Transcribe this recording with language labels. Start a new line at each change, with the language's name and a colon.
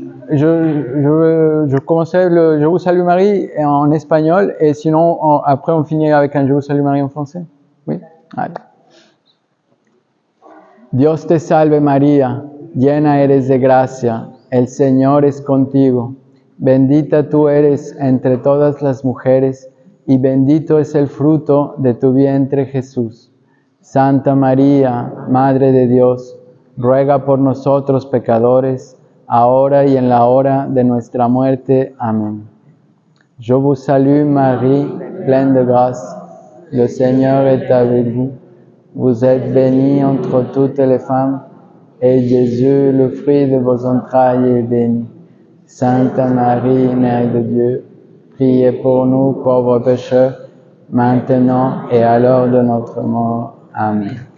French: Je commençais le je vous salue Marie en espagnol et sinon après on finit avec un je vous salue Marie en français. Oui? Allez.
Spanish: Dios te salve María, llena eres de gracia, el Señor es contigo. Bendita tú eres entre todas las mujeres y bendito es el fruto de tu vientre, Jesús. Santa María, Madre de Dios, ruega por nosotros pecadores, ahora y en la hora de nuestra muerte. Amén.
French: Je vous salue, Marie, pleine de grâce. Le Seigneur est avec vous. Vous êtes bénie entre toutes les femmes, et Jésus, le fruit de vos entrailles, est béni. Sainte Marie, Mère de Dieu, priez pour nous, pauvres pécheurs, maintenant et à l'heure de notre mort. Amen.